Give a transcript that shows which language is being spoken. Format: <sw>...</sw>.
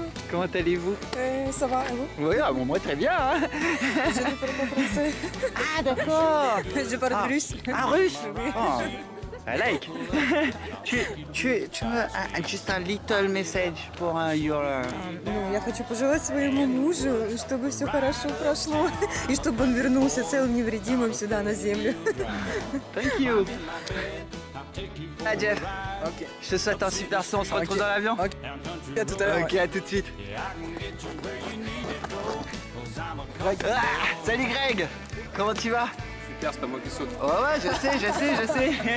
<fr>Comment allez-vous? Ça va, et vous? Oui, ah, bon, moi très bien. Hein. Je ne parle pas français. Ah, d'accord. Je parle de russe. Ah, russe? Oui.</fr> <en>Ah, like.</en> <fr>tu veux juste un</fr> <en>little message</en> <fr>pour</fr> <en>your.</en> <ru>Я хочу пожелать своему мужу, чтобы все хорошо прошло и чтобы он вернулся целым невредимым сюда на землю.</ru> <en>Thank you. Hi Jeff. Okay.</en> <fr>Je te souhaite un super son, on se retrouve dans l'avion.</fr> <en>Okay.</en> <fr>À tout à l'heure. Ok, à tout de suite. Ah, salut Greg, comment tu vas? Super, c'est pas moi qui saute. Oh ouais, je sais.</fr>